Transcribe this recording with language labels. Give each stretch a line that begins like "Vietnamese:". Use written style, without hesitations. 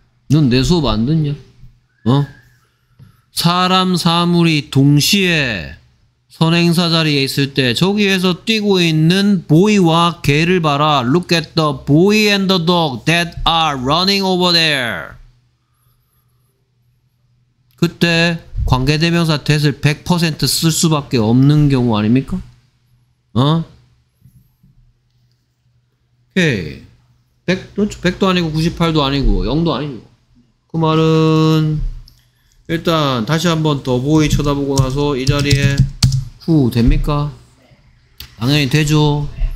Korean: 넌 내 수업 안 듣냐? 어? 사람, 사물이 동시에 선행사 자리에 있을 때 저기에서 뛰고 있는 보이와 개를 봐라.
English: Look at the boy and the dog that are running over there.
Korean: 그때 관계대명사 that을 100% 쓸 수밖에 없는 경우 아닙니까? 어? 오케이. 100도 아니고 98도 아니고 0도 아니고. 그 말은 일단 다시 한번 더 보이 쳐다보고 나서 이 자리에 됩니까? 당연히 되죠.